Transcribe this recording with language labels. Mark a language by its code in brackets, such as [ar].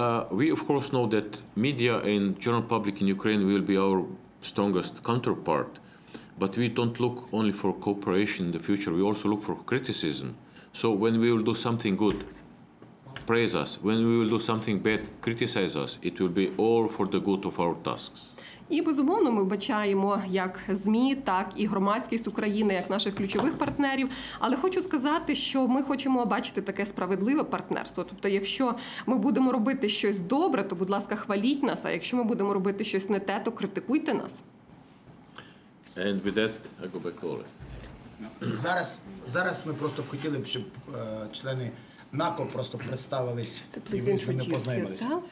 [en] We of course know that media and general public in Ukraine will be our strongest counterpart. But we don't look only for cooperation in the future, we also look for criticism. So when we will do something good, praise us. When we will do something bad, criticize us. It will be all for the good of our tasks. [uk] І безумовно, ми вбачаємо як ЗМІ, так і громадськість України, як наших ключових партнерів. Але хочу сказати, що ми хочемо бачити таке справедливе партнерство. Тобто, якщо ми будемо робити щось добре, то, будь ласка, хваліть нас, а якщо ми будемо робити щось не те, то критикуйте нас. [en] And with that, I go back to Oleg. [uk] Зараз ми просто б хотіли, щоб члени НАКО просто представились і ми з ними познайомилися.